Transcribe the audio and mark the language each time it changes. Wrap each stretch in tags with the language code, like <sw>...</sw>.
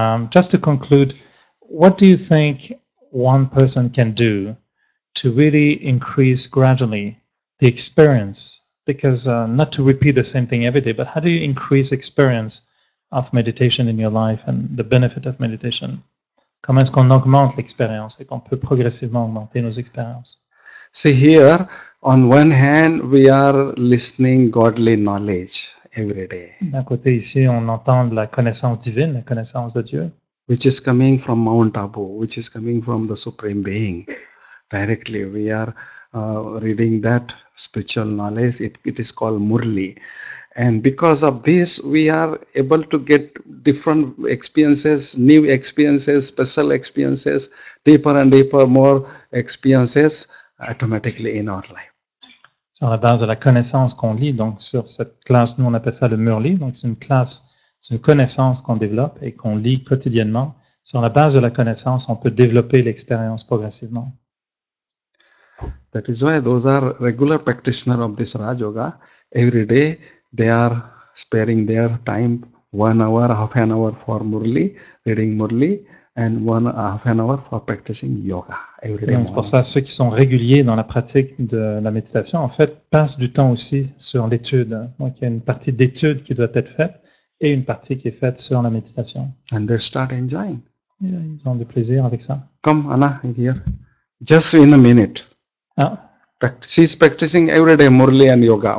<en>Just to conclude, what do you think one person can do to really increase gradually the experience? Because not to repeat the same thing every day, but how do you increase experience of meditation in your life and the benefit of meditation?</en> <fr>Comment est-ce qu'on augmente l'expérience et qu'on peut progressivement augmenter nos expériences?</fr> <en>See here, on one hand, we are listening godly knowledge every day.</en> <fr>D'un côté ici, on entend la connaissance divine, la connaissance de Dieu.</fr> <en>Which is coming from Mount Abu, which is coming from the Supreme Being. Directly, we are reading that spiritual knowledge. It is called Murli. And because of this, we are able to get different experiences, new experiences, special experiences, deeper and deeper, more experiences automatically in our life.</en> <fr>Sur la base de la connaissance qu'on lit, donc sur cette classe, nous on appelle ça le Murli, donc c'est une classe, c'est une connaissance qu'on développe et qu'on lit quotidiennement. Sur la base de la connaissance, on peut développer l'expérience progressivement.</fr> <en>That is why those are regular practitioners of this Raj Yoga. Every day, they are sparing their time, 1 hour, half an hour for Murli, reading Murli, and 1 half an hour for practicing yoga. Every day.</en> <fr>Donc, c'est pour ça, ceux qui sont réguliers dans la pratique de la méditation, en fait, passent du temps aussi sur l'étude. Donc, il y a une partie d'étude qui doit être faite et une partie qui est faite sur la méditation.</fr> <en>And they start enjoying.</en> <fr>Et là, ils ont du plaisir avec ça.</fr> <en>Come, Anna, here. Just in a minute. She's practicing every day Murli and yoga.</en>